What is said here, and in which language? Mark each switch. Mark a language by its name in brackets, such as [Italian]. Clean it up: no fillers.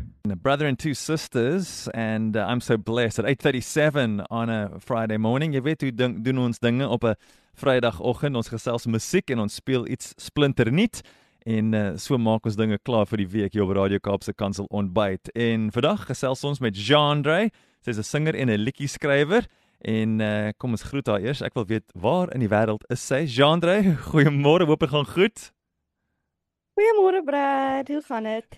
[English] A brother and two sisters, and I'm so blessed at 8:37 on a Friday morning. [Afrikaans] Jy weet hoe doen ons dinge op 'n Vrydagoggend. Ons gesels musiek en ons speel iets splinternuut. En so maak ons dinge klaar vir die week hier op Radio Kaapse Kansel ontbyt. En vandag gesels ons met Jeandre. Sy is 'n singer en 'n liedjie skrywer. En kom ons groet haar eers. Ek wil weet, waar in die wêreld is sy? Jeandre, goeiemôre, hoop dit gaan goed. Goeiemôre Brad, hoe gaan dit?